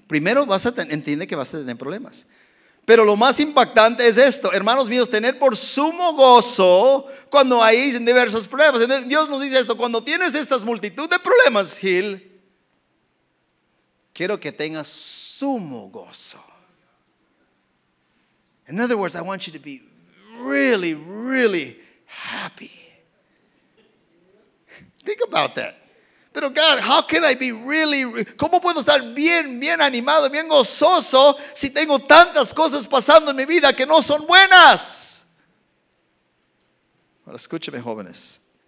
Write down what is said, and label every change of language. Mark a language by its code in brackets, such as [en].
[es] primero vas a entender que vas a tener problemas. Pero lo más impactante es esto, hermanos míos, tener por sumo gozo cuando hay diversas pruebas. Dios nos dice esto, cuando tienes estas multitud de problemas, Gil, quiero que tengas sumo gozo. [en] In other words, I want you to be really, really happy. Think about that. [es] Pero God, [en] how can I be really, [es] ¿cómo puedo estar bien, bien animado, bien gozoso si tengo tantas cosas pasando en mi vida que no son buenas? Ahora escúcheme, jóvenes.